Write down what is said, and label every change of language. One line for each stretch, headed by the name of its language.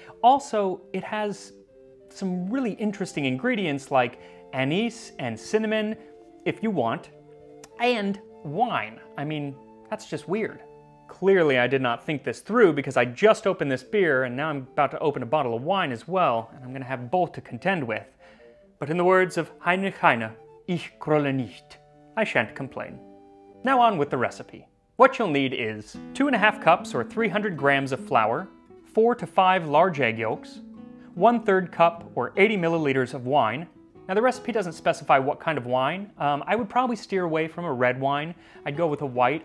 English: Also, it has some really interesting ingredients like anise and cinnamon, if you want. And wine. I mean, that's just weird. Clearly, I did not think this through because I just opened this beer and now I'm about to open a bottle of wine as well, and I'm gonna have both to contend with. But in the words of Heinrich Heine,
German: ich grolle nicht.
English: I shan't complain. Now on with the recipe. What you'll need is 2.5 cups or 300 grams of flour, 4 to 5 large egg yolks, 1/3 cup or 80 milliliters of wine. Now the recipe doesn't specify what kind of wine. I would probably steer away from a red wine. I'd go with a white.